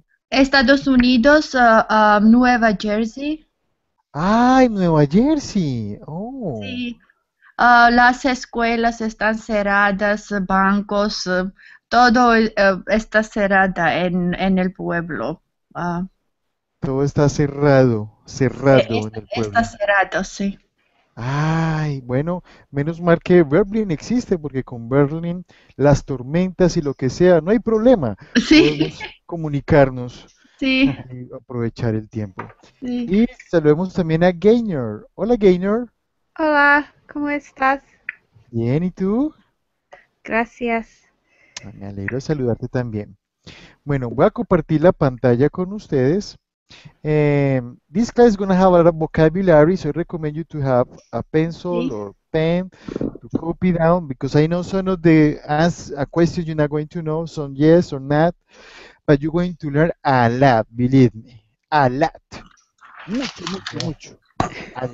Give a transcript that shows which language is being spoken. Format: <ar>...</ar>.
<es>Estados Unidos, Nueva Jersey. ¡Ay, Nueva Jersey! Oh. Sí. Las escuelas están cerradas, bancos, todo está cerrada en el pueblo. Todo está cerrado en el pueblo. Está cerrado, sí. Ay, bueno, menos mal que Berlín existe, porque con Berlín las tormentas y lo que sea, no hay problema. Sí. Podemos comunicarnos. Sí. Y aprovechar el tiempo. Sí. Y saludemos también a Gaynor. Hola, Gaynor. Hola, ¿cómo estás? Bien, ¿y tú? Gracias. Me alegro de saludarte también. Bueno, voy a compartir la pantalla con ustedes.</es> <en>This class is going to have a lot of vocabulary, so I recommend you to have a pencil or pen to copy down, because I know some of the ask a question you're not going to know, some yes or not, but you're going to learn a lot, believe me, a lot,</en> <es>mucho, mucho, mucho,</es> <en>a lot.</en>